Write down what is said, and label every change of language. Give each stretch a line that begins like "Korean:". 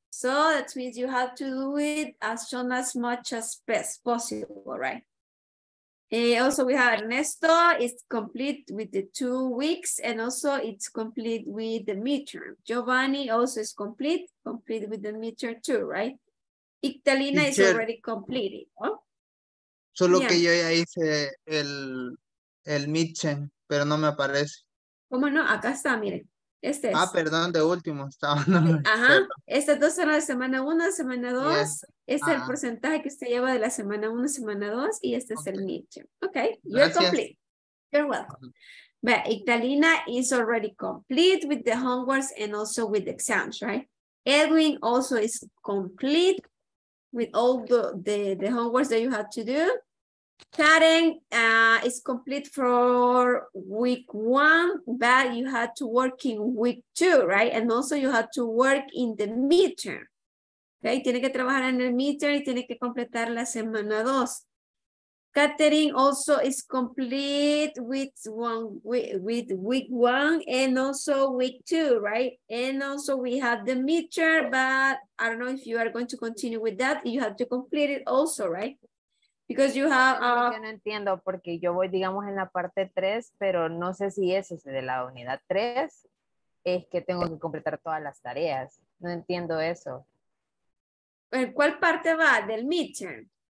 English: So that means you have to do it as soon as much as best possible, right? Also, we have Ernesto, it's complete with the 2 weeks, and also it's complete with the midterm. Giovanni also is complete with the midterm too, right? Italina is already completed.
Spanish: ¿No? Solo yeah. Que yo ya hice el midterm, pero no me aparece. ¿Cómo no? Acá está, miren. Este es. Ah, perdón, de último. Estaba. Ajá. Estas dos son la semana 1, semana 2. Yes. Este es el porcentaje que usted lleva de la semana 1, semana 2. Y este es el midterm.
English: Ok. You're complete. You're welcome. Uh-huh. Italina is already complete with the homeworks and also with the exams, right? Edwin also is complete with all the homeworks that you have to do. Karen is complete for week 1, but you had to work in week 2, right? And also you had to work in the midterm, okay?
Spanish: Tiene que trabajar en el midterm y tiene que completar la semana 2.
English: Katherine also is complete with week 1 and also week 2, right? And also we have the midterm, but I don't know if you are going to continue with that. You have to complete it also, right? Because you have
Spanish: yo no entiendo porque yo voy digamos en la parte 3, pero no sé si eso es de la unidad 3 es que tengo que completar todas las tareas. No entiendo eso. ¿En cuál parte va del midterm?